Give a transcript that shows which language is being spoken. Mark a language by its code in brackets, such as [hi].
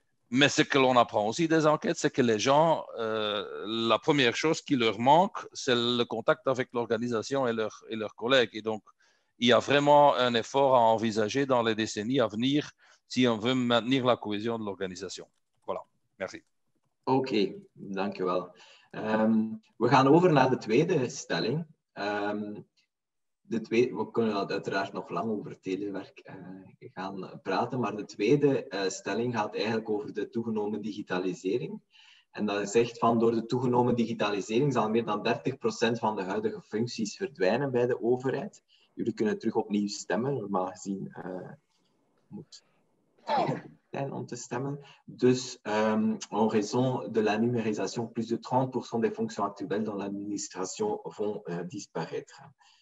[fr] Mais ce que l'on apprend aussi des enquêtes, c'est que les gens, la première chose qui leur manque, c'est le contact avec l'organisation et leurs collègues. Et donc, il y a vraiment un effort à envisager dans les décennies à venir si on veut maintenir la cohésion de l'organisation. Voilà, merci. [nl] OK, dank je wel. We gaan over naar de tweede stelling. We kunnen uiteraard nog lang over telewerk gaan praten, maar de tweede stelling gaat eigenlijk over de toegenomen digitalisering. En dat zegt van door de toegenomen digitalisering zal meer dan 30% van de huidige functies verdwijnen bij de overheid. Jullie kunnen terug opnieuw stemmen, normaal gezien moet zijn om te stemmen. [fr] Dus en raison de la numérisation, plus de 30% des fonctions actuelles dans l'administration vont disparaître.